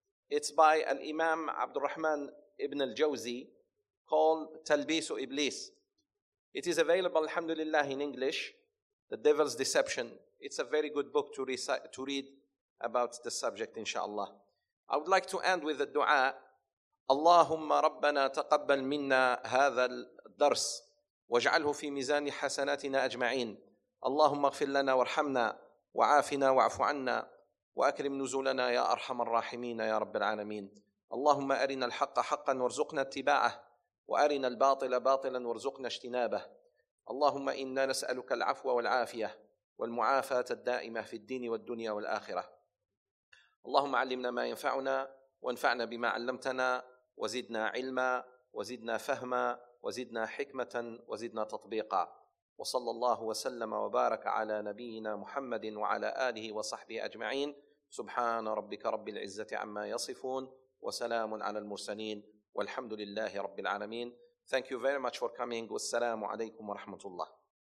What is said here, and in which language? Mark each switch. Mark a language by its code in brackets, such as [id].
[en] It's by Al-Imam Abdul Rahman Ibn Al-Jawzi called Talbisu Iblis. It is available, alhamdulillah, in English, The Devil's Deception. It's a very good book to read about the subject, inshallah. I would like to end with a dua. [ar] اللهم ربنا تقبل منا هذا الدرس واجعله في ميزان حسناتنا أجمعين اللهم اغفر لنا وارحمنا وعافنا واعف عنا وأكرم نزولنا يا أرحم الراحمين يا رب العالمين اللهم أرنا الحق حقا وارزقنا اتباعه وأرنا الباطل باطلا وارزقنا اجتنابه اللهم إنا نسألك العفو والعافية والمعافاة الدائمة في الدين والدنيا والآخرة اللهم علمنا ما ينفعنا وانفعنا بما علمتنا وزدنا علما وزدنا فهما وزدنا حكمة وزدنا تطبيقا وصلى الله وسلم وبارك على نبينا محمد وعلى آله وصحبه أجمعين سبحان ربك رب العزة عما يصفون وسلام على المرسلين والحمد لله رب العالمين. [en] Thank you very much for coming. Wassalamu alaykum wa rahmatullah.